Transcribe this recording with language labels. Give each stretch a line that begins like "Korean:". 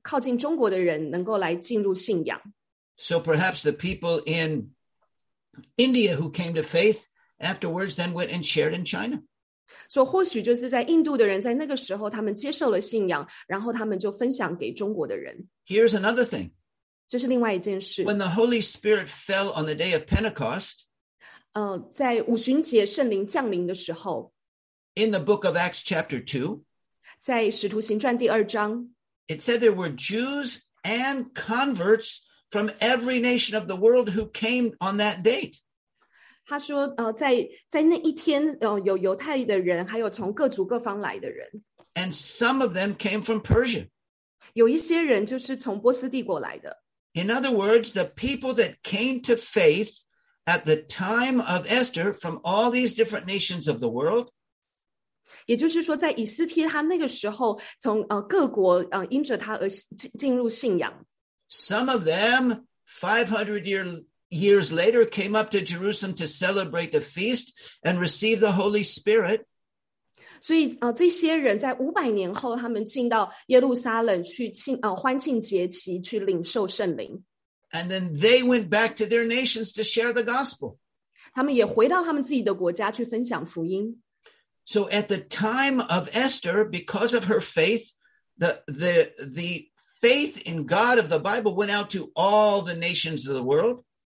Chinese: 这是在圣经里面记载最靠近中国的人能够来进入信仰。
English: So perhaps the people in India who came to faith afterwards then went and shared in China.
Chinese: 所以或许就是在印度的人在那个时候他们接受了信仰,然后他们就分享给中国的人。
English: Here's another thing.
Chinese: 这是另外一件事。
English: When the Holy Spirit fell on the day of Pentecost,
Chinese: 在五旬节圣灵降临的时候,
English: in the book of Acts chapter 2,
Chinese: 在使徒行传第二章,
English: it said there were Jews and converts from every nation of the world who came on that date.
Chinese: 他说, 在那一天, 有犹太的人, 还有从各族各方来的人,
English: and some of them came from Persia.
Chinese: 有一些人就是从波斯帝国来的。
English: In other words, the people that came to faith at the time of Esther from all these different nations of the world,
Chinese: 也就是说在以斯帖他那个时候, 从各国, 因着他而进入信仰。
English: Some of them, 500 years later, came up to Jerusalem to celebrate the feast and receive the Holy Spirit.
Chinese: 所以, 这些人在500年后, 他们进到耶路撒冷去庆, 欢庆节期, 去领受圣灵。
English: And then they went back to their nations to share the gospel.
Chinese: 他们也回到他们自己的国家去分享福音。
English: So at the time of Esther, because of her faith, the faith in God of the Bible went out to all the nations of the world.